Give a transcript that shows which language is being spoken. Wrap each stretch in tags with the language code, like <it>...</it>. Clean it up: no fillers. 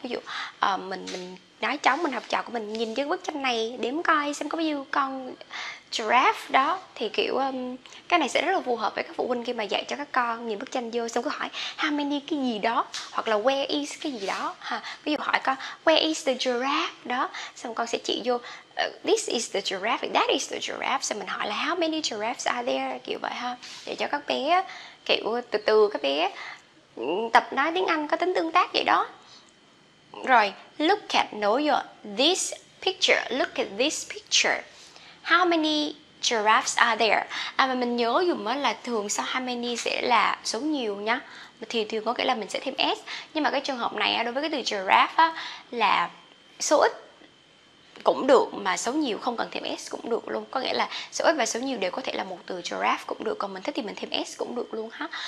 <vi>Ví dụ mình nói trống, mình học trò của mình nhìn cái bức tranh này đếm coi xem có bao nhiêu con giraffe đó, thì kiểu cái này sẽ rất là phù hợp với các phụ huynh khi mà dạy cho các con nhìn bức tranh vô xong cứ hỏi</vi> <en>how many</en> <vi>cái gì đó, hoặc là</vi> <en>where is</en> <vi>cái gì đó ha. Ví dụ hỏi con</vi> <en>where is the giraffe</en> <vi>đó, xong con sẽ chỉ vô</vi> <en>this is the giraffe, that is the giraffe,</en> <vi>xong mình hỏi là</vi> <en>how many giraffes are there,</en> <vi>kiểu vậy ha, để cho các bé kiểu từ từ các bé tập nói tiếng Anh có tính tương tác vậy đó. Rồi</vi> <en>look at, know your this picture, look at this picture. How many giraffes are there?</en> <vi>À mà mình nhớ dùm á là thường sau how many sẽ là số nhiều nhá. Thì thường có nghĩa là mình sẽ thêm s. Nhưng mà cái trường hợp này đối với cái từ giraffe á, là số ít cũng được mà số nhiều không cần thêm s cũng được luôn. Có nghĩa là số ít và số nhiều đều có thể là một từ giraffe cũng được. Còn mình thích thì mình thêm s cũng được luôn ha.</vi>